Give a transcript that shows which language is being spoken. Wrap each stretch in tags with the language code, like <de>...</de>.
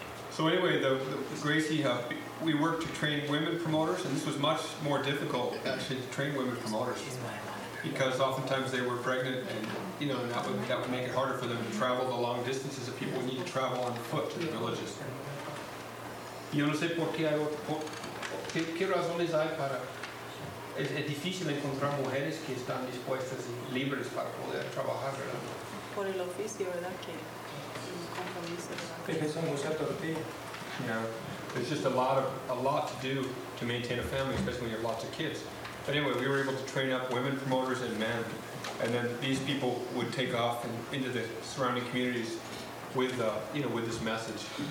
<en>So anyway, the Gracie, we worked to train women promoters, and this was much more difficult actually to train women promoters. Because oftentimes they were pregnant, and you know, that would make it harder for them to travel the long distances that people would need to travel on foot to the villages.</en> <es>Yo no sé por qué razones hay para es difícil encontrar mujeres que están dispuestas y libres para poder trabajar, ¿verdad? Por el oficio, ¿verdad? Que es un compromiso, ¿verdad? Que</es> <en>yeah, it's just a lot to do to maintain a family, especially when you have lots of kids. But anyway, we were able to train up women promoters and men, and then these people would take off and into the surrounding communities with with this message.</en>